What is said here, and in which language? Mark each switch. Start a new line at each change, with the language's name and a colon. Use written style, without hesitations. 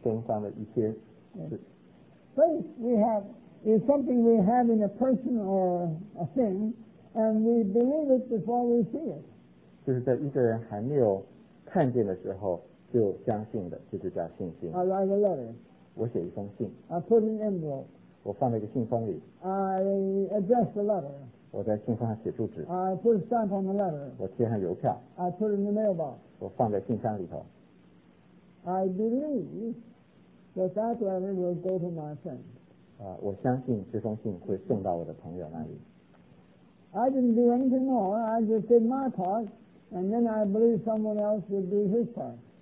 Chinese: 信就是在人身上的一些事。
English: Faith we have is something we have in a person or a thing, and we believe it before we see it.
Chinese: 就是在一个人还没有看见的时候就相信的，这就叫信心。
English: I write a letter.
Chinese: 我写一封信。
English: I put an envelope.
Chinese: 我放在一个信封里。
English: I address the letter.
Chinese: 我在信封上写住址。
English: I put a stamp on the letter.
Chinese: 我贴上邮票。
English: I put in the mailbox.
Chinese: 我放在信箱里头。
English: I believe that that letter will go to my friend.
Chinese: 我相信这封信会送到我的朋友那里。
English: I didn't do anything more. I just did my part, and then I believe someone else would do his part.